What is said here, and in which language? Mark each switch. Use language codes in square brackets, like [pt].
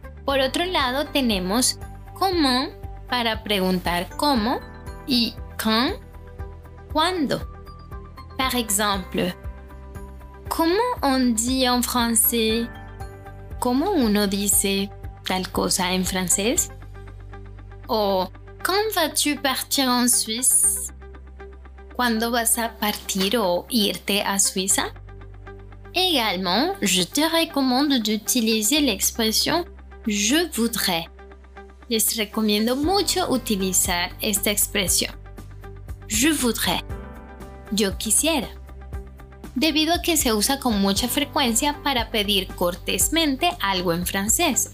[es] Por otro lado, tenemos comment para preguntar cómo y quand, cuándo. [fr] Par exemple, comment on dit en français? [es] ¿Cómo uno dice tal cosa en francés? [fr] O ¿quand vas-tu partir en Suisse? [es] ¿Cuándo vas a partir o irte a Suiza? [fr] Également, je te recommande d'utiliser l'expression je voudrais. [es] Les recomiendo mucho utilizar esta expresión. [fr] Je voudrais. [es] Yo quisiera. Debido a que se usa con mucha frecuencia para pedir cortésmente algo en francés.